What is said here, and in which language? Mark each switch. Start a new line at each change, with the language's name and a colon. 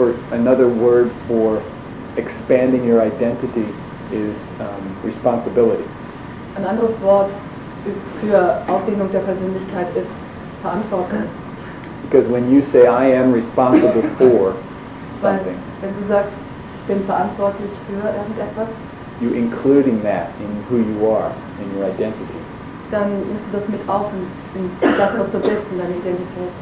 English: Another word for expanding your identity is responsibility.
German: Ein anderes Wort für Ausdehnung der Persönlichkeit ist Verantwortung.
English: Because when you say I am responsible for something,
German: wenn du sagst, ich bin verantwortlich für irgendetwas,
English: you including that in who you are, in your identity.
German: Dann musst du das mit aufnehmen, das, was du bist, in deine Identität.